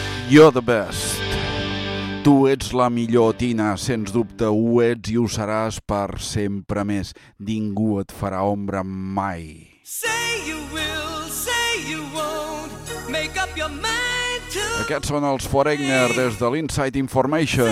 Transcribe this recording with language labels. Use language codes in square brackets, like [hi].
[en] You're the best. [ca] Tu ets la millor, Tina, sens dubte ho ets i ho seràs per sempre més. Ningú et farà ombra mai. [en] Say you will, say you won't, make up your mind to... [ca] Aquests són els Foreigner des de l'Inside Information.